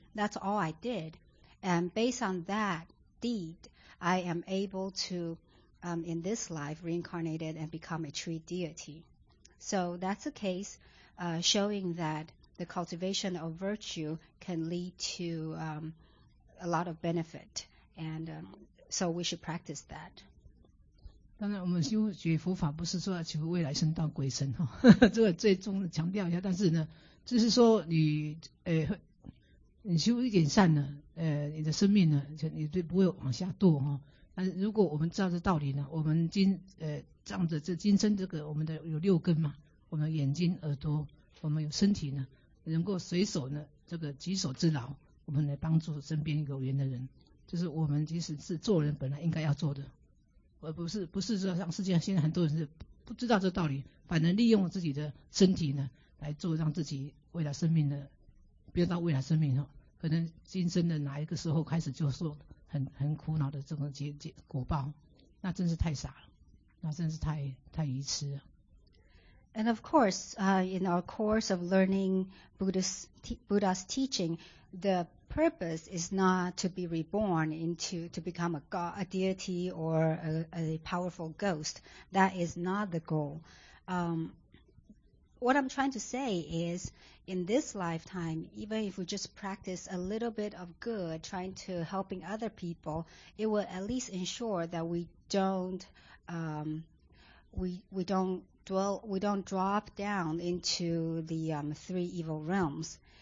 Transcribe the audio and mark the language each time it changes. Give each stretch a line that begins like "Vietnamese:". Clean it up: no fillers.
English: That's all I did. And based on that deed, I am able to, in this life, reincarnated and become a tree deity. So that's a case showing that the cultivation of virtue can lead to a lot of benefit. And so we should practice that.
Chinese: 当然我们修学佛法不是说要求未来生到鬼神，呵呵，这个最终强调一下，但是呢，就是说你修一点善呢，你的生命呢，你就不会往下堕哈。但是如果我们知道这道理呢，我们仗着这今生这个我们的有六根嘛，我们眼睛、耳朵，我们有身体呢，能够随手呢这个举手之劳，我们来帮助身边有缘的人，就是我们即使是做人本来应该要做的，而不是说让世界上现在很多人是不知道这道理，反而利用自己的身体呢来做让自己未来生命的。不要到未来生命，可能今生的哪一个时候开始就受很苦恼的这种果报，那真是太傻了，那真是太愚痴了。
English: And of course, in our course of learning Buddha's teaching, the purpose is not to be reborn to become a god, a deity, or a powerful ghost. That is not the goal. What I'm trying to say is, in this lifetime, even if we just practice a little bit of good, trying to helping other people, it will at least ensure that we don't drop down into the three evil realms.